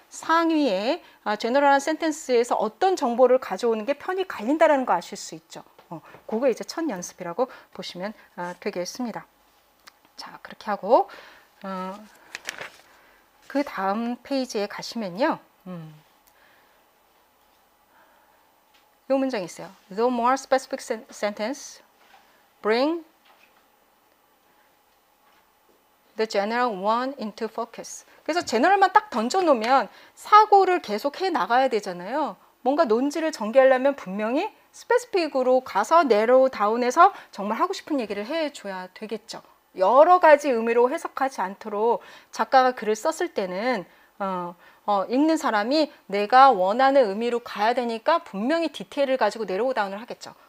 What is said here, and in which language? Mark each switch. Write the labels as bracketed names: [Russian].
[Korean] 상위에 general한 sentence에서 어떤 정보를 가져오는 게 편히 갈린다라는 거 아실 수 있죠. 그게 이제 첫 연습이라고 보시면 되겠습니다. 자, 그렇게 하고 그 다음 페이지에 가시면요. 이 문장이 있어요. [English] The more specific sentence bring the general one into focus. [Korean] 그래서 general만 딱 던져놓으면 사고를 계속 해나가야 되잖아요. 뭔가 논지를 전개하려면 분명히 스페시픽으로 가서 내로우 다운해서 정말 하고 싶은 얘기를 해줘야 되겠죠. 여러 가지 의미로 해석하지 않도록 작가가 글을 썼을 때는 읽는 사람이 내가 원하는 의미로 가야 되니까 분명히 디테일을 가지고 내로우 다운을 하겠죠.